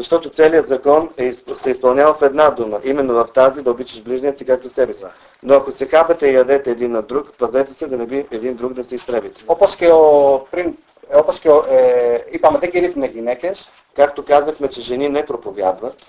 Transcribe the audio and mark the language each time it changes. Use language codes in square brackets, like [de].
[el] Διότι [bg] целият закон се изпълнява в една дума. Именно в тази да обичаш ближния си както себе си. Но ако се хапете и ядете един на друг, пазете се да не би един друг да се изтребите. [el] Όπως και πριν... Όπως και είπαμε, δεν κηρύττουν οι γυναίκες. [bg] Както казахме, че жени не проповядват.